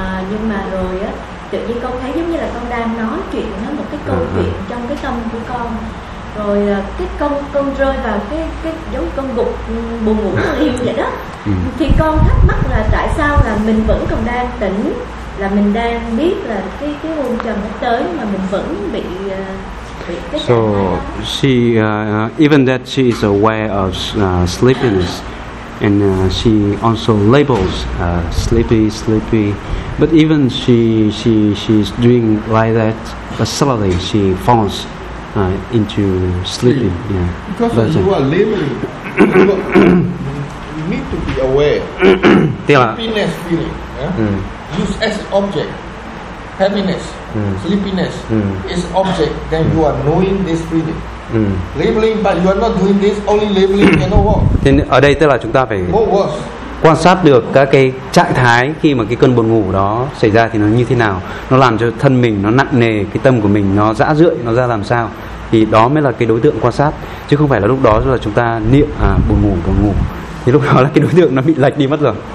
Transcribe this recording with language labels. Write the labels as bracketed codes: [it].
[vi] Nhưng mà rồi á, tự nhiên con thấy giống như là con đang nói chuyện nó một cái câu chuyện trong cái tâm của con, rồi cái con rơi vào cái giống con gục buồn ngủ yên vậy đó. Thì con thắc mắc là tại sao là mình vẫn còn đang tỉnh, là mình đang biết là cái hôn trầm nó tới mà mình vẫn bị [en] So she, even that she is aware of sleepiness, and she also labels sleepy, but even she's doing like that, but suddenly she falls into sleepy. Yeah. Because but, you are labeling, you need to be aware. Sleepiness feeling, use as object. Happiness, sleepiness is object, then you are knowing this feeling. Labeling, but you are not doing this, only labeling cannot work. [vi] Thì ở đây tức là chúng ta phải quan sát được các cái trạng thái khi mà cái cơn buồn ngủ đó xảy ra thì nó như thế nào, nó làm cho thân mình nó nặng nề, cái tâm của mình nó rã rượi, nó ra làm sao, thì đó mới là cái đối tượng quan sát, chứ không phải là lúc đó là chúng ta niệm à buồn ngủ thì lúc đó là cái đối tượng nó bị lệch đi mất rồi.